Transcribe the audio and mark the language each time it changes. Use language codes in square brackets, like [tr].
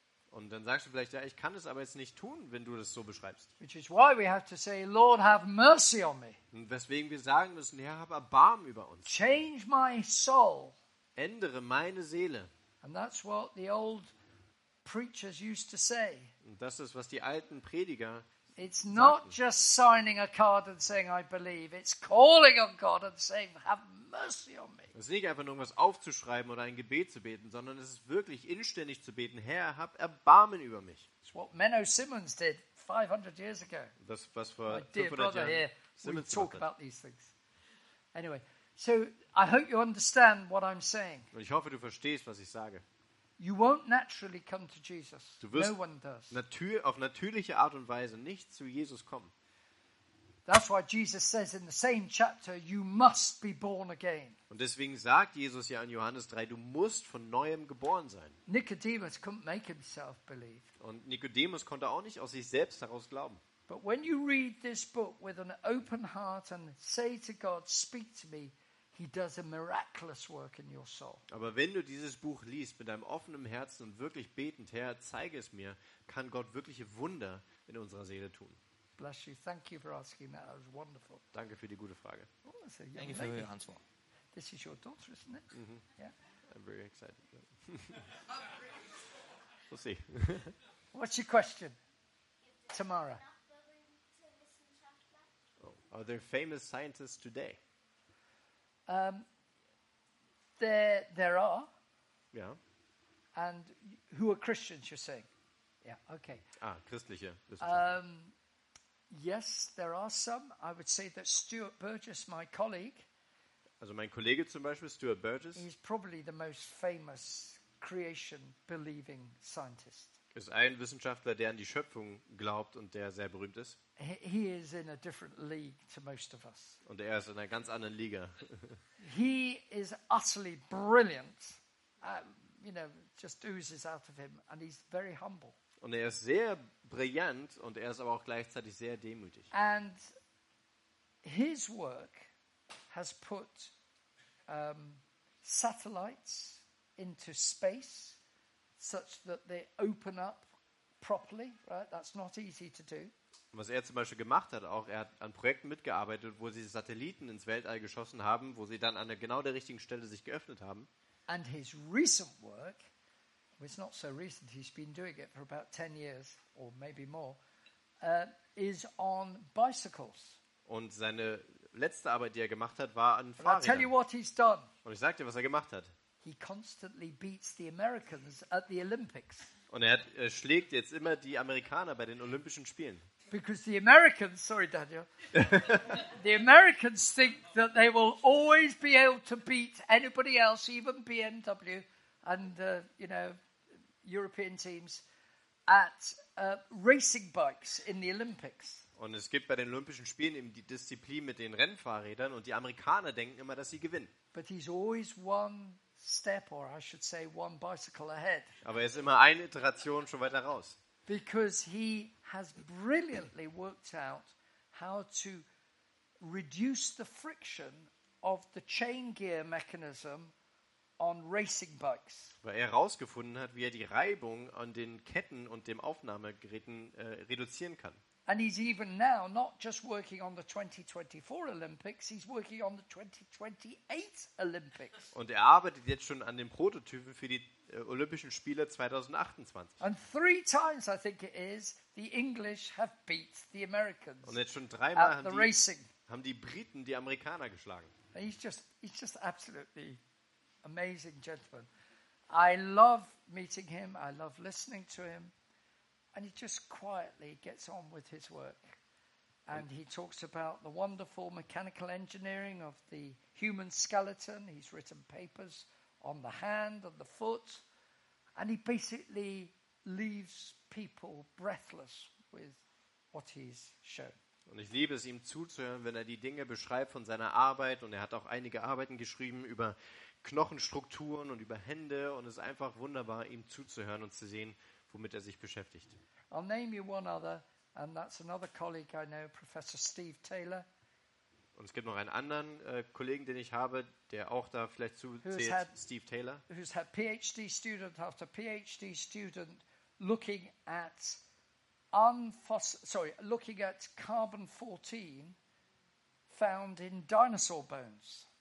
[de] Und dann sagst du vielleicht, ja, ich kann es aber jetzt nicht tun, wenn du das so beschreibst. [en] Which is why we have to say, Lord, have mercy on me. [de] Und weswegen wir sagen müssen, Herr, hab Erbarm über uns. [en] Change my soul. [de] Ändere meine Seele. [en] And that's what the old preachers used to say. [de] Und das ist, was die alten Prediger sagten. [en] It's not just signing a card and saying, I believe. It's calling on God and saying, have mercy on me. [de] Es ist nicht einfach nur irgendwas aufzuschreiben oder ein Gebet zu beten, sondern es ist wirklich inständig zu beten, Herr, hab Erbarmen über mich. [en] It's what Menno Simmons did 500 years ago. [de] Das, was vor 500 Jahren Simmons [en] talk about these things. Anyway, so I hope you understand what I'm saying. [de] Und ich hoffe, du verstehst, was ich sage. [en] You won't naturally come to Jesus. [de] Du wirst [en] no one does. [de] Auf natürliche Art und Weise nicht zu Jesus kommen. [en] That's why Jesus says in the same chapter, you must be born again. [de] Und deswegen sagt Jesus ja in Johannes 3, du musst von neuem geboren sein. [en] Nicodemus couldn't make himself believe. [de] Und Nikodemus konnte auch nicht aus sich selbst heraus glauben. [en] But when you read this book with an open heart and say to God, speak to me, he does a miraculous work in your soul. [de] Aber wenn du dieses Buch liest mit einem offenen Herzen und wirklich betend, Herr, zeige es mir, kann Gott wirkliche Wunder in unserer Seele tun. [en] Bless you. Thank you for asking that. That was wonderful. [de] Danke für die gute Frage. [en] Oh, that's a young lady. Thank you for your answer. This is your daughter, isn't it? Mm-hmm. Yeah. I'm very excited. We'll see. What's your question, Tamara? Oh, are there famous scientists today? There are. Yeah. And who are Christians? You're saying. Yeah. Okay. [de] Ah, christliche. [en] Yes, there are some. I would say that Stuart Burgess, my colleague. [de] Also mein Kollege zum Beispiel, Stuart Burgess. [en] He's probably the most famous creation-believing scientist. [de] Ist ein Wissenschaftler, der an die Schöpfung glaubt und der sehr berühmt ist. [en] He is in a different league to most of us. [de] Und er ist in einer ganz anderen Liga. [en] He is utterly brilliant. You know, just oozes out of him, and he's very humble. [de] Und er ist sehr brillant und er ist aber auch gleichzeitig sehr demütig. [en] And his work has put satellites into space such that they open up properly, right? That's not easy to do. [de] Was er zum Beispiel gemacht hat, auch er hat an Projekten mitgearbeitet, wo sie Satelliten ins Weltall geschossen haben, wo sie dann an genau der richtigen Stelle sich geöffnet haben. [en] And his recent work. Well, it's not so recent. He's been doing it for about 10 years or maybe more. Is on bicycles. [de] Und seine letzte Arbeit, die er gemacht hat, war an Fahrrädern. [en] I'll tell you what he's done. [de] Und ich sag dir, was er gemacht hat. [en] He constantly beats the Americans at the Olympics. [de] Und er schlägt jetzt immer die Amerikaner bei den Olympischen Spielen. [en] Because the Americans, sorry Daniel, the Americans think that they will always be able to beat anybody else, even BMW. And you know, European teams at racing bikes in the Olympics. [de] Und es gibt bei den Olympischen Spielen eben die Disziplin mit den Rennfahrrädern und die Amerikaner denken immer, dass sie gewinnen. [en] But he's always one step, or I should say one bicycle ahead. [de] Aber er ist immer eine Iteration schon weiter raus. [en] Because he has brilliantly worked out how to reduce the friction of the chain gear mechanism on racing bikes. [de] Weil er herausgefunden hat, wie er die Reibung an den Ketten und dem Aufnahmegeräten reduzieren kann. [en] And he's even now not just working on the 2024 Olympics, he's working on the 2028 Olympics. [de] Und er arbeitet jetzt schon an den Prototypen für die Olympischen Spiele 2028. [en] And three times I think it is, the English have beat the Americans. [de] Und jetzt schon dreimal haben die Briten die Amerikaner geschlagen. [en] He's just absolutely amazing gentleman. I love meeting him, I love listening to him. And he just quietly gets on with his work. And he talks about the wonderful mechanical engineering of the human skeleton. He's written papers on the hand and the foot. And he basically leaves people breathless with what he's shown. [de] Und ich liebe es, ihm zuzuhören, wenn er die Dinge beschreibt von seiner Arbeit. Und er hat auch einige Arbeiten geschrieben über Knochenstrukturen und über Hände. Und es ist einfach wunderbar, ihm zuzuhören und zu sehen, womit er sich beschäftigt. [en] I'll name you one other, and that's another colleague I know, Professor Steve Taylor. [de] Und es gibt noch einen anderen Kollegen, den ich habe, der auch da vielleicht zuzählt, Steve Taylor. [en] Who's had PhD student after PhD student looking at carbon 14 found in dinosaur bones.